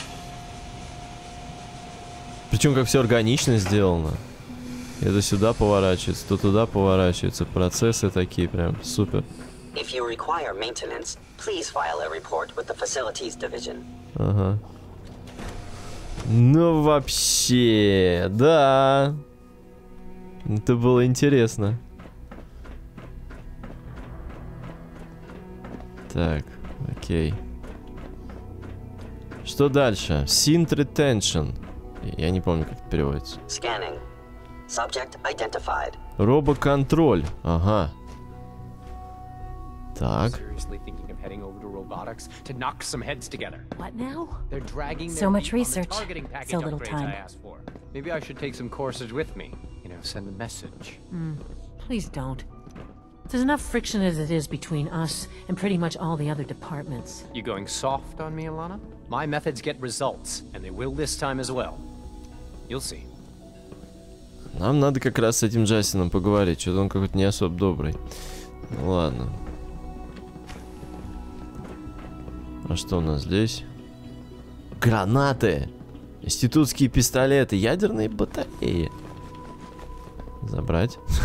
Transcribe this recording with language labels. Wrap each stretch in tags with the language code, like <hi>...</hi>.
<ru>Обалдеть. Причем как все органично сделано. Это сюда поворачивается, то туда поворачивается. Процессы такие прям супер.</ru> <en>If you require maintenance, please file a report with the facilities division.</en> <ru>Ага. Ну вообще, да. Это было интересно. Так, окей. Что дальше? Synth retention. Я не помню, как это переводится.</ru> <en>Scanning. Subject identified.</en> <ru>Робоконтроль. Ага. Так.</ru> <en>Seriously thinking of heading over to robotics to knock some heads together. What now? They're dragging so much research. The targeting package so little time. I asked for. Maybe I should take some courses with me. You know, send a message. Please don't. There's enough friction as it is between us and pretty much all the other departments. You going soft on me, Alana? My methods get results, and they will this time as well. You'll see.</en> <ru>Нам надо как раз с этим Джастином поговорить. Что-то он какой-то не особо добрый. Ну ладно. А что у нас здесь? Гранаты! Институтские пистолеты, ядерные батареи. Забрать.</ru>